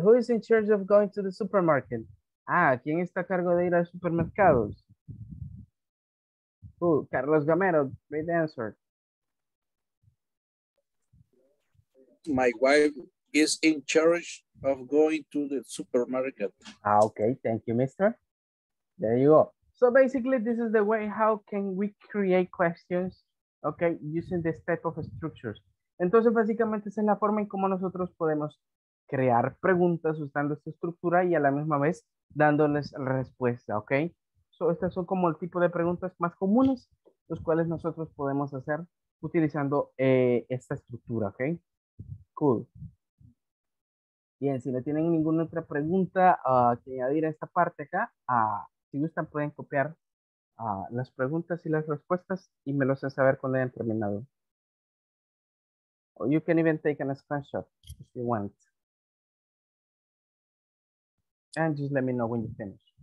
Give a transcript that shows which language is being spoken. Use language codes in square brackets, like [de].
[en] Who is in charge of going to the supermarket? [es] Ah, ¿quién está a cargo de ir a supermercados? [en] Who? Carlos Gamero, great answer. My wife is in charge of going to the supermarket. Ah, okay, thank you, mister. There you go. So basically, this is the way how can we create questions, okay, using this type of structures. [es] Entonces, básicamente, esa es la forma en cómo nosotros podemos crear preguntas usando esta estructura y a la misma vez dándoles respuesta, ¿ok? So, estas son como el tipo de preguntas más comunes los cuales nosotros podemos hacer utilizando esta estructura, ¿ok? Cool. Bien, si no tienen ninguna otra pregunta que añadir a esta parte acá, si gustan pueden copiar las preguntas y las respuestas y me lo hacen saber cuando hayan terminado. [en] Or you can even take a screenshot if you want. And just let me know when you finish.